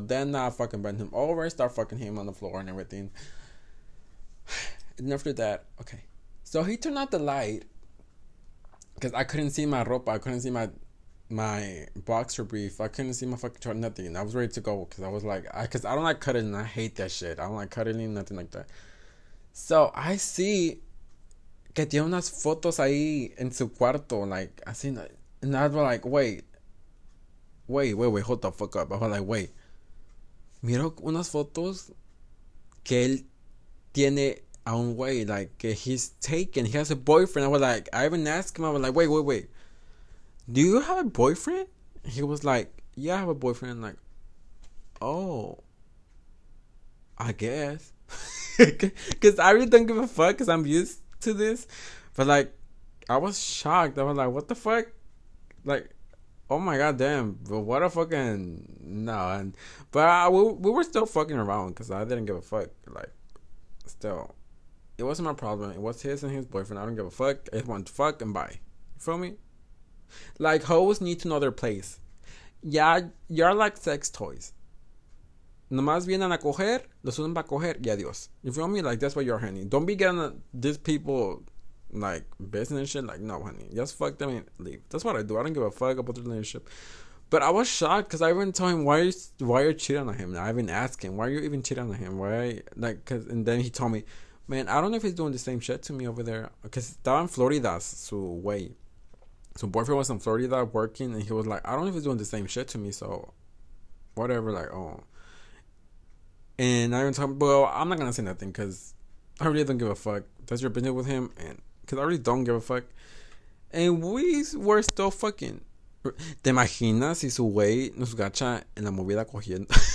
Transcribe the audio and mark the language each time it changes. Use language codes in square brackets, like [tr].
[en] Then I fucking bent him over and start fucking him on the floor and everything. And after that, okay. So he turned out the light. Because I couldn't see my ropa. I couldn't see my boxer brief. I couldn't see my fucking chart, nothing. I was ready to go because I was like, because I don't like cutting. I hate that shit. I don't like cutting, nothing like that. [es] So I see que tiene unas fotos ahí en su cuarto. [en] Like, I seen that. And I was like, wait, hold the fuck up. I was like, wait. [es] Miro unas fotos que él tiene a un güey. [en] Like, que he's taken. He has a boyfriend. I was like, I even asked him. I was like, wait. Do you have a boyfriend? He was like, yeah, I have a boyfriend. I'm like, oh, I guess. Because I really don't give a fuck because I'm used to this. But, like, I was shocked. I was like, what the fuck? Like, oh, my God, damn. But what a fucking... No. But we were still fucking around because I didn't give a fuck. Like, still. It wasn't my problem. It was his and his boyfriend. I don't give a fuck. I just want to fuck and bye. You feel me? Like, hoes need to know their place. Yeah, you're like sex toys. [es] Nomás vienen a coger, los unen para coger, y adiós. [en] You feel me? Like, that's what you're, honey. Don't be getting these people, like, business shit. Like, no, honey. Just fuck them and leave. That's what I do. I don't give a fuck about the relationship. But I was shocked because I even told him, why are you cheating on him? And I even asked him, why are you even cheating on him? And then he told me, man, I don't know if he's doing the same shit to me over there. Because down in Florida, su way. So boyfriend was in Florida working, and he was like, I don't know if he's doing the same shit to me, so whatever, like, oh. And I even told him, well, I'm not gonna say nothing, because I really don't give a fuck. That's your business with him, and because I really don't give a fuck. And we were still fucking. [es] ¿Te imaginas si su güey nos gacha en la movida cogiendo?